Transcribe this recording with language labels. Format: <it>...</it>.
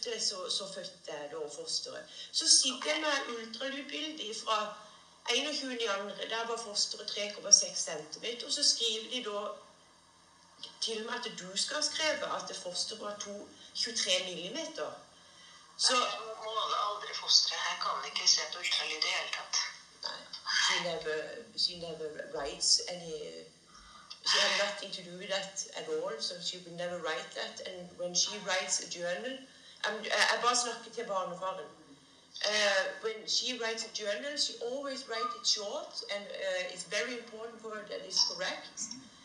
<no>så fødte jeg da fosteret. Så sitter jeg med ultralydbildet fra 21.2, der var fosteret 3,6 cm, og så skriver de da til og med at du skal skrive at fosteret var 23 millimeter. Så, nei, jeg måler aldri fosteret. Jeg kan ikke se på ultralyd i det hele tatt.</no> <en>Nei, she never writes any... She had nothing to do with that at all, so she would never write that. And when she writes a journal...</en> <no>Jeg bare snakker til barnefaren.</no> <en>When she writes a journal, she always writes it short, and it's very important for her that it's correct.</en>